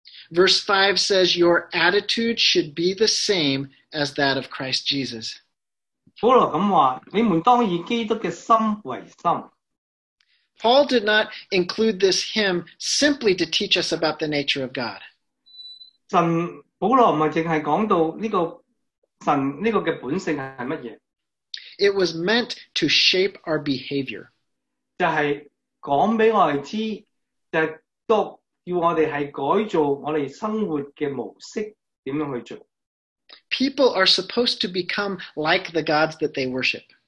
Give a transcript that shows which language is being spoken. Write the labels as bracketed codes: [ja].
[en] Verse 5 says, your attitude should be the same as that of Christ Jesus. [zh] 保罗这么说，你们当以基督的心为心。 [en] Paul did not include this hymn simply to teach us about the nature of God. [zh] 保罗不只是讲到这个神这个的本性是什么。 [en] It was meant to shape our behavior. [zh] 就是讲给我们知，就是要我们是改造我们生活的模式，怎么样去做。 [en] People are supposed to become like the gods that they worship.